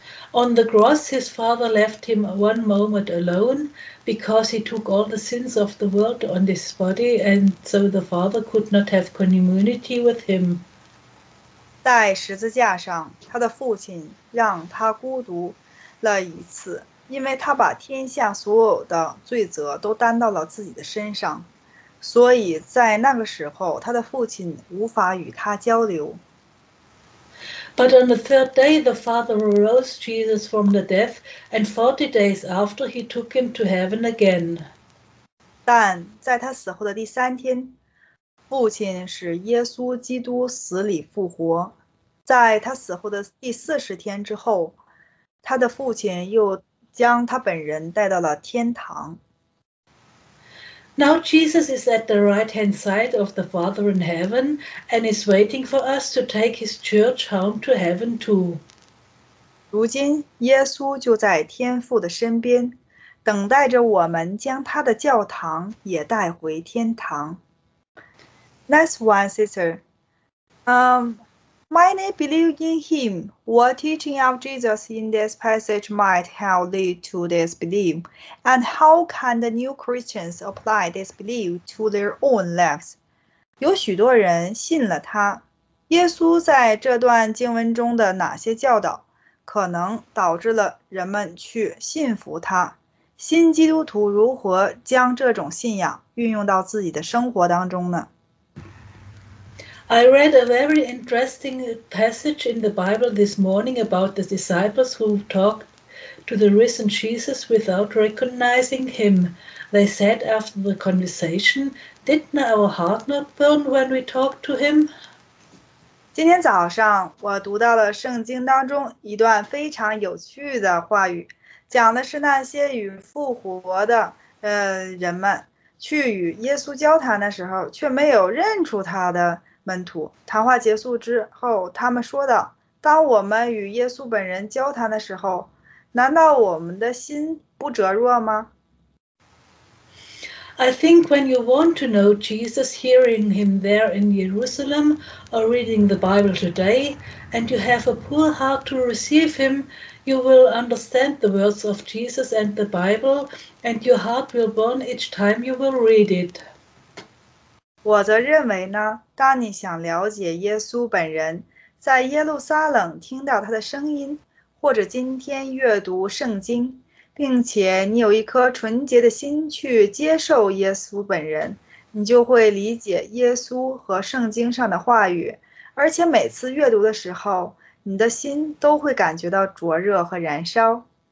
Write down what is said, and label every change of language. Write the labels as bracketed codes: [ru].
[en] On the cross, his father left him one moment alone because he took all the sins of the world on his body, and so the father could not have community with him. [zh] 在十字架上，他的父亲让他孤独了一次，因为他把天下所有的罪责都担到了自己的身上，所以在那个时候，他的父亲无法与他交流。 [en] But on the third day, the Father arose Jesus from the death, and 40 days after, he took him to heaven again. [zh] 但在他死后的第三天，父亲使耶稣基督死里复活。在他死后的第四十天之后，他的父亲又将他本人带到了天堂。 [en] Now Jesus is at the right-hand side of the Father in heaven and is waiting for us to take his church home to heaven too. [zh] 如今耶稣就在天父的身边，等待着我们将他的教堂也带回天堂。 [en] Next one, sister. Many believe in him. What teaching of Jesus in this passage might help lead to this belief? And how can the new Christians apply this belief to their own lives? [zh] 有许多人信了他。耶稣在这段经文中的哪些教导可能导致了人们去信服他？新基督徒如何将这种信仰运用到自己的生活当中呢？ [en] I read a very interesting passage in the Bible this morning about the disciples who talked to the risen Jesus without recognizing him. They said after the conversation, "Didn't our heart not burn when we talked to him?" [zh] 今天早上我读到了圣经当中一段非常有趣的话语，讲的是那些与复活的人们去与耶稣交谈的时候，却没有认出他的。门徒谈话结束之后，他们说道：“当我们与耶稣本人交谈的时候，难道我们的心不折弱吗？” [en] I think when you want to know Jesus, hearing him there in Jerusalem or reading the Bible today, and you have a poor heart to receive him, you will understand the words of Jesus and the Bible, and your heart will burn each time you will read it. [zh] 我则认为呢，当你想了解耶稣本人，在耶路撒冷听到他的声音，或者今天阅读圣经，并且你有一颗纯洁的心去接受耶稣本人，你就会理解耶稣和圣经上的话语，而且每次阅读的时候，你的心都会感觉到灼热和燃烧。